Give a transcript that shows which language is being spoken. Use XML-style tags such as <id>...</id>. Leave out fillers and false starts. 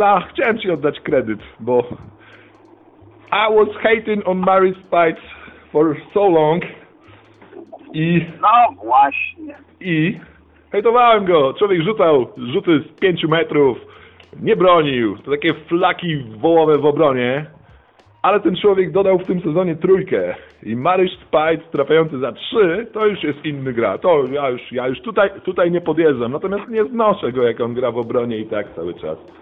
<pl>Chciałem ci oddać kredyt, bo...</pl> <en>I was hating on Mary Spice for so long i...</en> <pl>No właśnie. I hejtowałem go. Człowiek rzucał rzuty z 5 metrów. Nie bronił. To takie flaki wołowe w obronie. Ale ten człowiek dodał w tym sezonie trójkę. I Mary Spice trafiający za 3, to już jest inny gra. To ja już tutaj nie podjeżdżam. Natomiast nie znoszę go, jak on gra w obronie i tak cały czas.</pl>